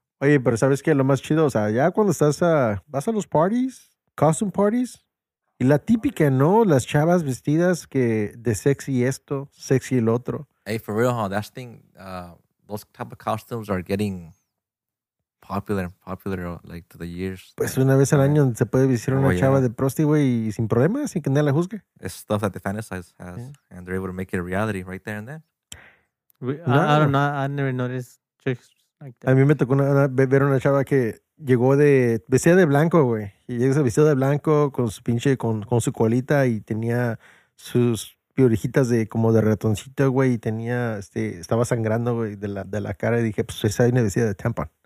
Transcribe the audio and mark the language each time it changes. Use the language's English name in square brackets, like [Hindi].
[Spanish] Oye, pero ¿sabes qué? Lo más chido, o sea, ya cuando estás a... Vas a los parties, [English] costume parties. [Spanish] Y la típica, ¿no? Las chavas vestidas que de sexy esto, sexy el otro. [English] Hey, for real, huh? That thing, those type of costumes are getting popular and popular, like, to the years. [Spanish] Pues una vez al año se puede visitar una chava de prosti, güey, y sin problemas, sin que nadie la juzgue. [English] It's stuff that the fantasize has, and they're able to make it a reality right there and then. I don't know. I never noticed chicks like that. [Spanish] A mí me tocó ver una chava que llegó de... Vestida de blanco, güey. Y llegó vestida de blanco con su pinche, con su colita y tenía sus piorejitas de como de ratoncito, güey, y tenía, estaba sangrando, güey, de la cara. Y dije, pues esa es una vestida de tampon.